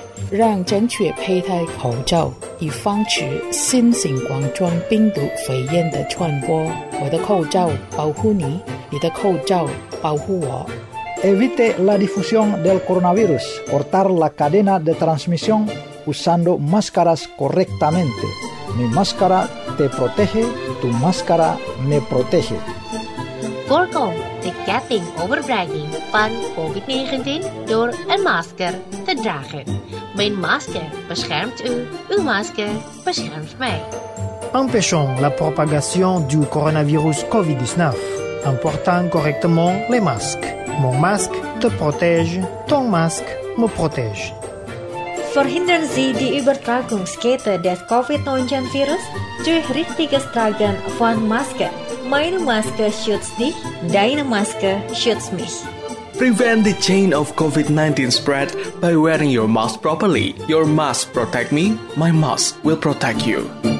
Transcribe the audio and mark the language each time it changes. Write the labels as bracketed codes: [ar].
[zh] 让正确佩戴口罩，以防止新型冠状病毒肺炎的传播。我的口罩保护你，你的口罩保护我。 [es] evite la difusión del coronavirus, cortar la cadena de transmisión usando máscaras correctamente. Mi máscara te protege, tu máscara me protege. [nl] Voorkom de ketting overbrenging van COVID-19 door een masker te dragen. Mijn masker beschermt u, uw masker beschermt mij. [fr] Empêchons la propagation du coronavirus COVID-19 en portant correctement les masques. Mon masque te protège, ton masque me protège. [de] Verhindern Sie die Übertragungskette des COVID-19 Virus durch richtiges Tragen von Masken. Meine Maske schützt dich, deine Maske schützt mich. [en] Prevent the chain of COVID-19 spread by wearing your mask properly. Your mask protect me, my mask will protect you.